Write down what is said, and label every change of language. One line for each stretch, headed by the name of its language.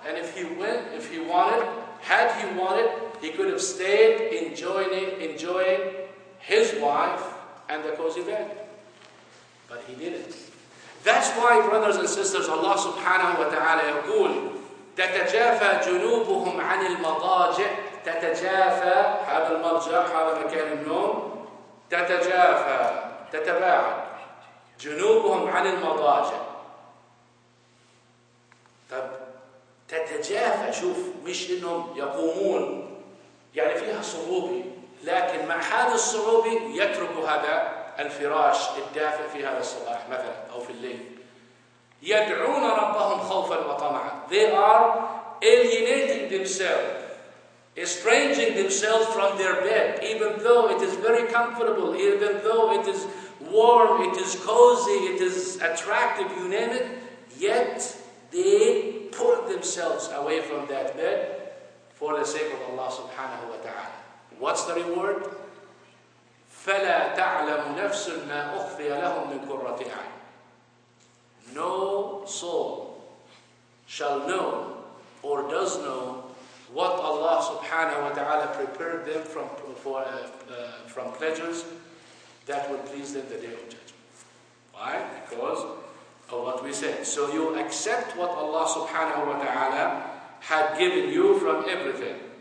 English: And if he went, if he wanted, had he wanted, he could have stayed enjoying his wife and the cozy bed. But he didn't. That's why, brothers and sisters, Allah subhanahu wa ta'ala
Arabic: يقول تتجافى جنوبهم عن المضاجع. تتجافى, هذا المرجع, هذا مكان النوم. تتجافى, تتباعد. جنوبهم عن المضاجع. طب تتجافى, شوف, مش انهم يقومون, يعني فيها صعوبة, لكن مع هذه الصعوبة يترك هذا الفراش الدافئ في هذا الصباح مثلا أو في الليل. يدعون ربهم خوفا وطمعا.
English: They are alienating themselves, estranging themselves from their bed, even though it is very comfortable, even though it is warm, it is cozy, it is attractive, you name it, yet they pull themselves away from that bed for the sake of Allah subhanahu wa ta'ala. What's the reward?
Arabic: فلا تعلم نفس ما أخفي لهم من قرة عين.
English: No soul shall know or does know what Allah subhanahu wa ta'ala prepared them from pleasures that would please them the day of judgment. Why? Because of what we said. So you accept what Allah subhanahu wa ta'ala had given you from everything.